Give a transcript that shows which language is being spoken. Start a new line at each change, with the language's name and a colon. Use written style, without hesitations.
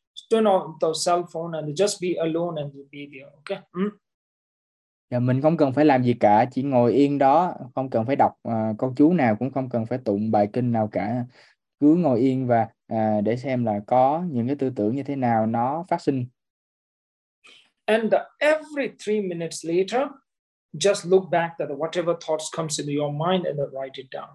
English: Turn off the cell phone and just be alone and you'll be there, okay?
Vietnamese: mình không cần phải làm gì cả, chỉ ngồi yên đó, không cần phải đọc câu chú nào, cũng không cần phải tụng bài kinh nào cả, cứ ngồi yên và để xem là có những cái tư tưởng như thế nào nó phát sinh.
English: And every 3 minutes later, just look back that whatever thoughts comes into your mind and then write it down.